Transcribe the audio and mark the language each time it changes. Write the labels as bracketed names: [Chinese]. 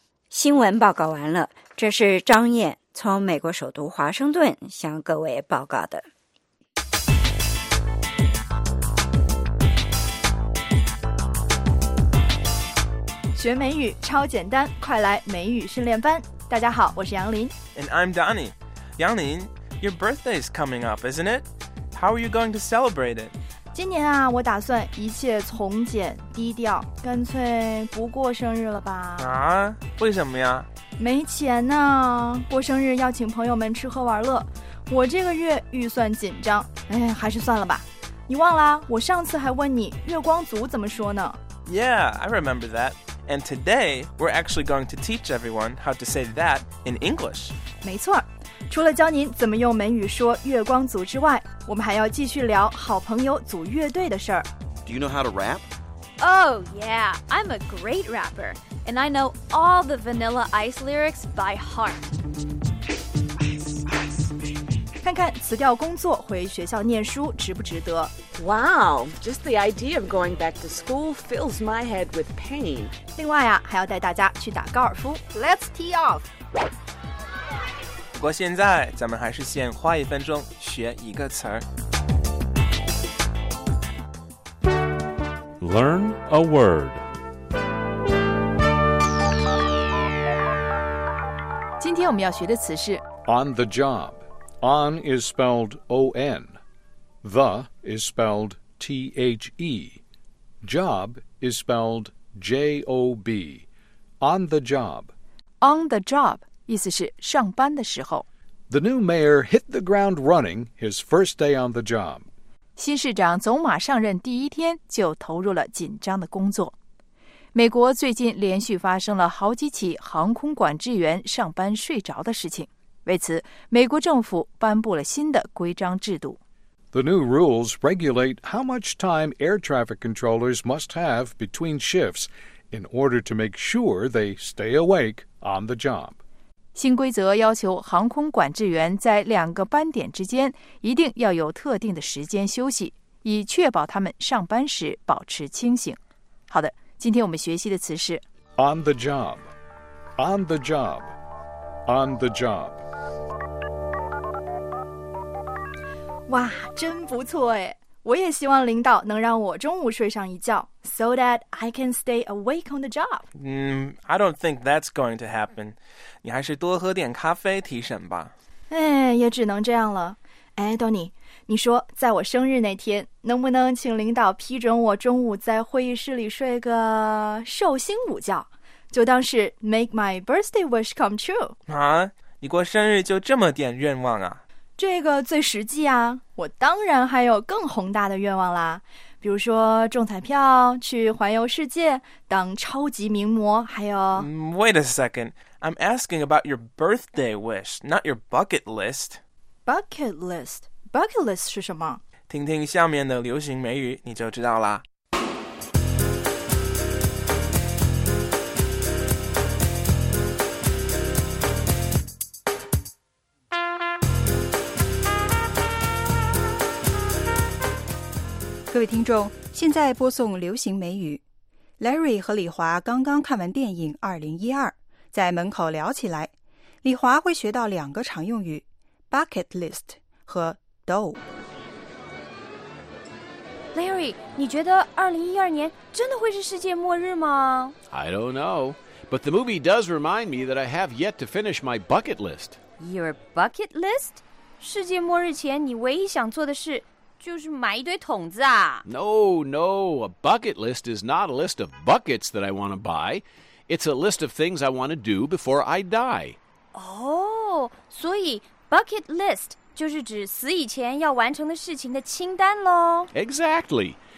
[Chinese] 新闻报告完了，这是张燕从美国首都华盛顿向各位报告的。学美语超简单，快来美语训练班。大家好，我是杨林。 [English] And I'm Donnie. 杨林, your birthday is coming up, isn't it? How are you going to celebrate it? [Chinese] 今年啊，我打算一切从简低调，干脆不过生日了吧。啊？为什么呀？没钱呢，过生日要请朋友们吃喝玩乐，我这个月预算紧张，哎，还是算了吧。你忘了，我上次还问你月光族怎么说呢。 [English] Yeah, I remember that. And today, we're actually going to teach everyone how to say that in English. [Chinese] 没错，除了教您怎么用美语说月光族之外，我们还要继续聊好朋友组乐队的事儿。 [English] Do you know how to rap? Oh yeah, I'm a great rapper. And I know all the Vanilla Ice lyrics by heart. Ice, ice, baby. [Chinese] 看看辞掉工作回学校念书值不值得。 [English] Wow, just the idea of going back to school fills my head with pain. [Chinese] 另外啊，还要带大家去打高尔夫。 [English] Let's tee off. [Chinese] 不过现在咱们还是先花一分钟学一个词儿。 [English] Learn a word. [Chinese] 今天我们要学的词是 [English] on the job. On is spelled O-N. The is spelled T-H-E. Job is spelled J-O-B. On the job. [Chinese] On the job, 意思是上班的时候。 [English] The new mayor hit the ground running his first day on the job. [Chinese] 新市长走马上任第一天就投入了紧张的工作。美国最近连续发生了好几起航空管制员上班睡着的事情。为此，美国政府颁布了新的规章制度。 [English] The new rules regulate how much time air traffic controllers must have between shifts in order to make sure they stay awake on the job. [Chinese] 新规则要求航空管制员在两个班点之间一定要有特定的时间休息，以确保他们上班时保持清醒。好的，今天我们学习的词是 [English] on the job, on the job, on the job. [Chinese] 哇，真不错哎！我也希望领导能让我中午睡上一觉 ， [English] so that I can stay awake on the job. I don't think that's going to happen. [Chinese] 你还是多喝点咖啡提神吧。哎，也只能这样了。哎 ，Donnie， 你说在我生日那天，能不能请领导批准我中午在会议室里睡个寿星午觉，就当是 [English] make my birthday wish come true？ [Chinese] 啊，你过生日就这么点愿望啊？这个最实际啊，我当然还有更宏大的愿望啦，比如说中彩票，去环游世界，当超级名模，还有 [English] Wait a second, I'm asking about your birthday wish, not your bucket list. Bucket list? Bucket list [Chinese] 是什么？听听下面的流行美语，你就知道啦。各位听众，现在播送流行美语。 Larry 和李华刚刚看完电影2012，在门口聊起来，李华会学到两个常用语 Bucket list 和 dough。 Larry， 你觉得2012年真的会是世界末日吗？ [English] I don't know, but the movie does remind me that I have yet to finish my bucket list. Your bucket list? [Chinese] 世界末日前你唯一想做的事就是买一堆桶子啊。 [English] No, no, a bucket list is not a list of buckets that I want to buy. It's a list of things I want to do before I die. [Chinese] Oh, 所以 bucket list 就是指死以前要完成的事情的清单咯。 [English] Exactly.